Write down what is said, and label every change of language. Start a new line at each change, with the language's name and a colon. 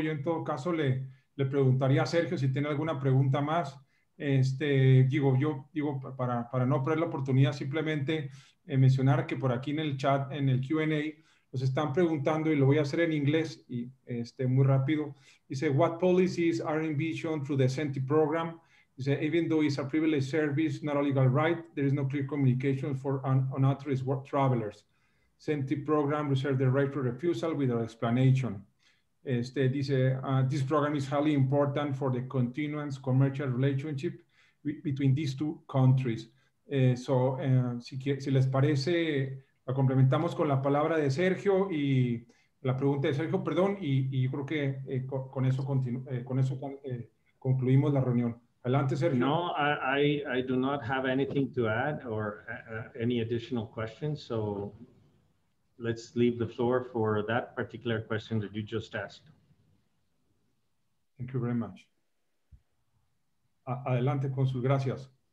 Spanish: Yo en todo caso le preguntaría a Sergio si tiene alguna pregunta más. Para no perder la oportunidad, simplemente mencionar que por aquí en el chat, en el Q&A, nos están preguntando, y lo voy a hacer en inglés y muy rápido. Dice,
English: what policies are envisioned through the CENTI program?
Spanish: Dice,
English: even though it's a privileged service, not a legal right, there is no clear communication for unauthorized work travelers. CENTI program reserves the right to refusal without explanation. This program is highly important for the continuance commercial relationship between these two countries.
Spanish: Si les parece, la complementamos con la palabra de Sergio y la pregunta de Sergio, perdón, y yo creo que concluimos la reunión. Adelante, Sergio.
English: No, I do not have anything to add or any additional questions, so let's leave the floor for that particular question that you just asked. Thank you very much.
Spanish: Adelante, Consul, gracias.